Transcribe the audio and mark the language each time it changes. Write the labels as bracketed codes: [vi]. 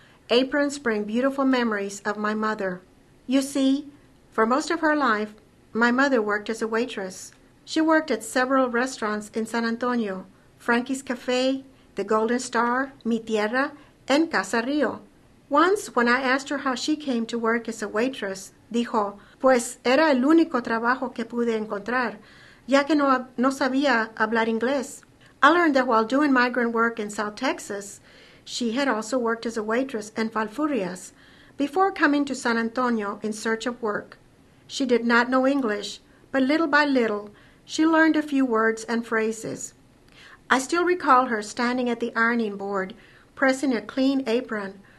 [en] Aprons bring beautiful memories of my mother. You see, for most of her life, my mother worked as a waitress. She worked at several restaurants in San Antonio, Frankie's Cafe, the Golden Star, Mi Tierra, and Casa Rio. Once, when I asked her how she came to work as a waitress, [es] dijo, "Pues era el único trabajo que pude encontrar, ya que no sabía hablar inglés." [en] I learned that while doing migrant work in South Texas, she had also worked as a waitress in Falfurrias before coming to San Antonio in search of work. She did not know English, but little by little, she learned a few words and phrases. I still recall her standing at the ironing board, pressing a clean apron.